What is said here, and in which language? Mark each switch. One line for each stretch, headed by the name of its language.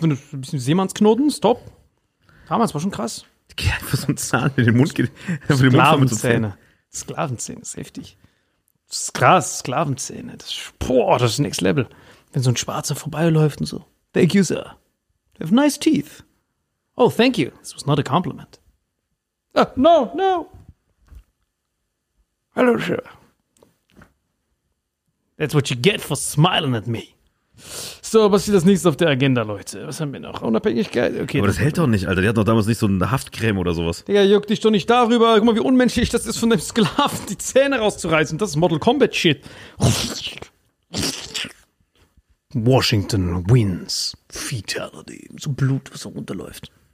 German: Wenn du ein bisschen Seemannsknoten, ist top. Damals war schon krass. Die geht einfach so einen Zahn in den Mund. Sklavenzähne. Sklavenzähne ist heftig. Das ist krass, Sklavenzähne. Boah, das ist next level. Wenn so ein Schwarzer vorbeiläuft und so.
English: Thank you, sir. You have nice teeth. Oh, thank you. This was not a compliment. No, no. Hello, sir. That's what you get for smiling at me.
German: So, was steht das nächste auf der Agenda, Leute? Was haben wir noch? Unabhängigkeit? Okay. Aber das hält doch nicht, Alter. Die hat doch damals nicht so eine Haftcreme oder sowas. Digga, juck dich doch nicht darüber. Guck mal, wie unmenschlich das ist, von dem Sklaven die Zähne rauszureißen. Das ist Mortal Kombat Shit.
English: Washington wins. Fatality.
German: So Blut, was so runterläuft.